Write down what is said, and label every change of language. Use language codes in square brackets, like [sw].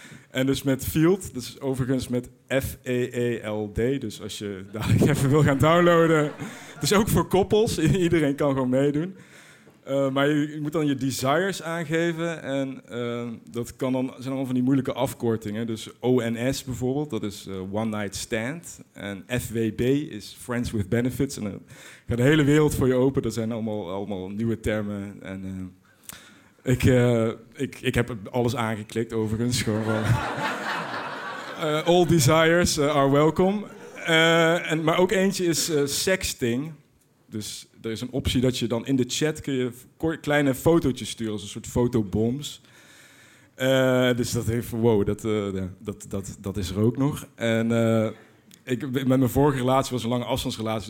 [nl] En dus met Field, dat is overigens met F-E-E-L-D. Dus als je dadelijk even wil gaan downloaden. Het is ook voor koppels. Iedereen kan gewoon meedoen. Maar je moet dan je desires aangeven. En dat kan dan, zijn allemaal van die moeilijke afkortingen. Dus ONS bijvoorbeeld, dat is One Night Stand. En FWB is Friends with Benefits. En dan gaat de hele wereld voor je open. Dat zijn allemaal nieuwe termen en... Ik heb alles aangeklikt, overigens. [en] all desires are welcome. [nl] Maar ook eentje is sexting. Dus er is een optie dat je dan in de chat... kun je kleine fotootjes sturen, als een soort fotobombs. Dus dat heeft... Wow, dat is er ook nog. En met mijn vorige relatie was een lange afstandsrelatie...